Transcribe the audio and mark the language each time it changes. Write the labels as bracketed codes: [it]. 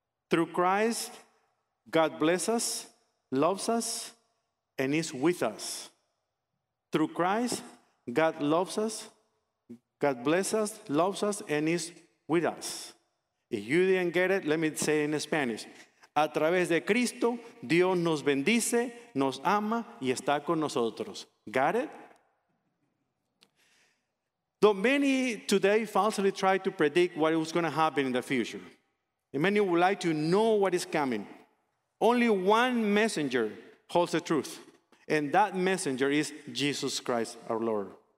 [en] Through Christ, God bless us, loves us, and is with us. Through Christ, God loves us, God bless us, loves us, and is with us. If you didn't get it, let me say it in Spanish. [es] A través de Cristo, Dios nos bendice, nos ama, y está con nosotros. [en] Got it? Though many today falsely try to predict what was going to happen in the future, and many would like to know what is coming, only one messenger holds the truth, and that messenger is Jesus Christ, our Lord.